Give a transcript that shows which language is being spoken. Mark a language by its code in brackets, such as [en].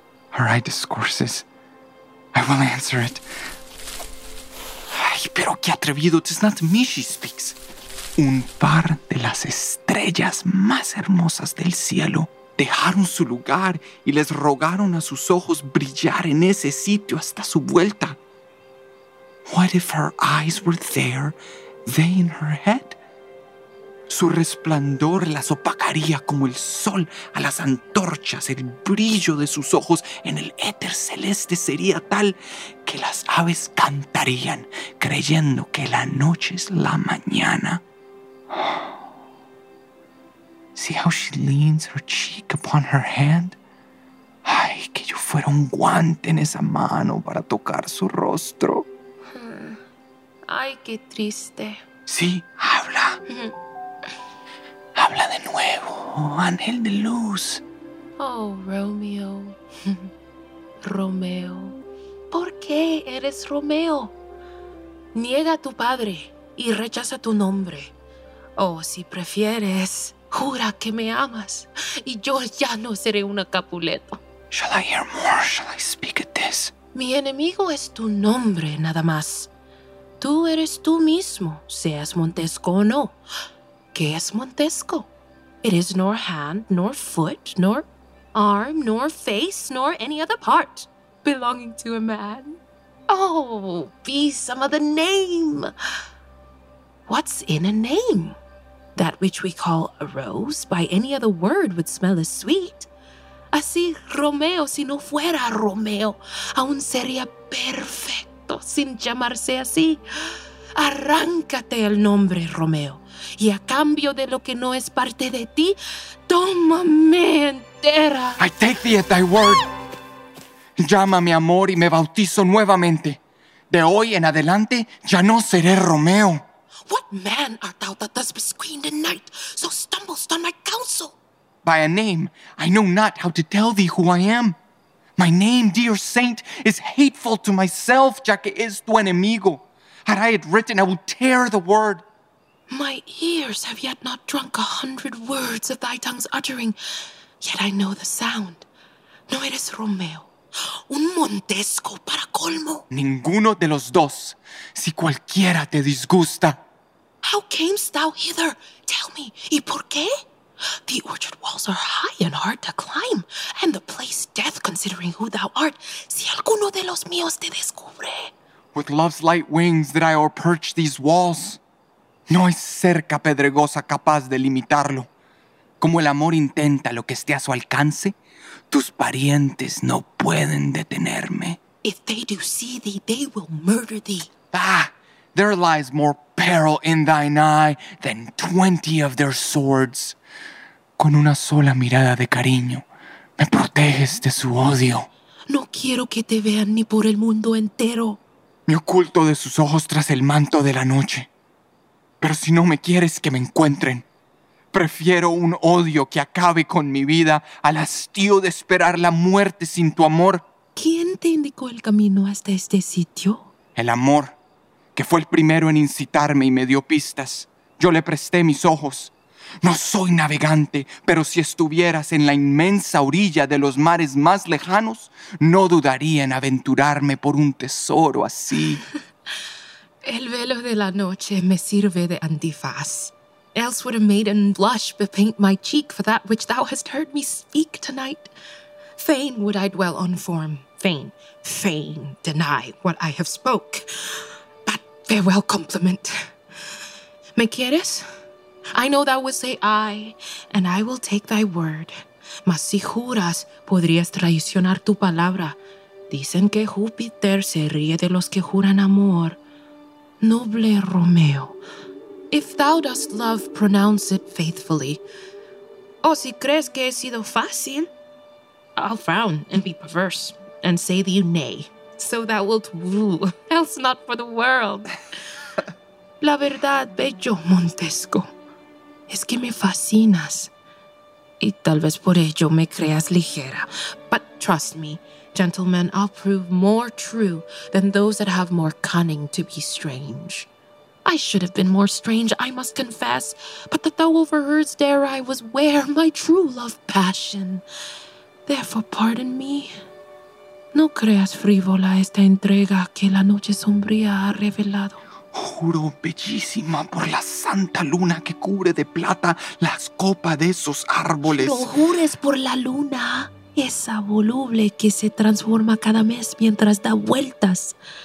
[en] Her eye discourses. I will answer it. [es] Ay, pero qué atrevido. [en] It's not me she speaks. [es] Un par de las estrellas más hermosas del cielo dejaron su lugar y les rogaron a sus ojos brillar en ese sitio hasta su vuelta. [en] What if her eyes were there, they in her head? [es] Su resplandor las opacaría como el sol a las antorchas. El brillo de sus ojos en el éter celeste sería tal que las aves cantarían, creyendo que la noche es la mañana. [en] See how she leans her cheek upon her hand? [es] Ay, que yo fuera un guante en esa mano para tocar su rostro. Ay, qué triste. Sí, habla. Habla de nuevo, ángel de luz. Oh, Romeo. Romeo. ¿Por qué eres Romeo? Niega a tu padre y rechaza tu nombre. Oh, si prefieres, jura que me amas y yo ya no seré una Capuleto. [en] Shall I hear more? Shall I speak at this? [es] Mi enemigo es tu nombre, nada más. Tú eres tú mismo, seas Montesco o no. ¿Qué es Montesco? [en] It is nor hand, nor foot, nor arm, nor face, nor any other part belonging to a man. Oh, be some other name. What's in a name? That which we call a rose by any other word would smell as sweet. [es] Así, Romeo, si no fuera Romeo, aún sería perfecto sin llamarse así. Arráncate el nombre, Romeo, y a cambio de lo que no es parte de ti, tómame entera. [en] I take thee at thy word. [es] Llámame amor y me bautizo nuevamente. De hoy en adelante, ya no seré Romeo. [en] What man art thou that thus besqueened a knight, so stumblest on my counsel? By a name, I know not how to tell thee who I am. My name, dear saint, is hateful to myself, [es] ya que es tu enemigo. [en] Had I it written, I would tear the word. My ears have yet not drunk 100 words of thy tongue's uttering, yet I know the sound. [es] No eres Romeo. Un Montesco para colmo. Ninguno de los dos, si cualquiera te disgusta. [en] How camest thou hither? Tell me, [es] y por qué? [en] The orchard walls are high and hard to climb, and the place death, considering who thou art, [es] si alguno de los míos te descubre. [en] With love's light wings did I o'erperch these walls. [es] No es cerca pedregosa capaz de limitarlo. Como el amor intenta lo que esté a su alcance, tus parientes no pueden detenerme. [en] If they do see thee, they will murder thee. Ah, there lies more peril in thine eye than 20 of their swords. [es] Con una sola mirada de cariño, me proteges de su odio. No quiero que te vean ni por el mundo entero. Me oculto de sus ojos tras el manto de la noche. Pero si no me quieres que me encuentren, prefiero un odio que acabe con mi vida al hastío de esperar la muerte sin tu amor. ¿Quién te indicó el camino hasta este sitio? El amor, que fue el primero en incitarme y me dio pistas. Yo le presté mis ojos. No soy navegante, pero si estuvieras en la inmensa orilla de los mares más lejanos, no dudaría en aventurarme por un tesoro así. El velo de la noche me sirve de antifaz. [en] Else would a maiden blush bepaint my cheek for that which thou hast heard me speak tonight. Fain would I dwell on form, fain deny what I have spoke. But farewell, compliment. [es] ¿Me quieres? [en] I know thou wilt say aye, and I will take thy word. [es] Mas si juras, podrías traicionar tu palabra. Dicen que Júpiter se ríe de los que juran amor. [en] Noble Romeo, if thou dost love, pronounce it faithfully. [es] O si crees que he sido fácil, [en] I'll frown and be perverse and say thee nay, so thou wilt woo, else not for the world. [es] La verdad, bello Montesco, es que me fascinas, y tal vez por ello me creas ligera. [en] But trust me, gentlemen, I'll prove more true than those that have more cunning to be strange. I should have been more strange, I must confess, but that thou overheardst ere I was ware my true love passion. Therefore, pardon me. [es] No creas frívola esta entrega que la noche sombría ha revelado. Juro, bellísima, por la santa luna que cubre de plata las copas de esos árboles. No jures por la luna, esa voluble que se transforma cada mes mientras da vueltas.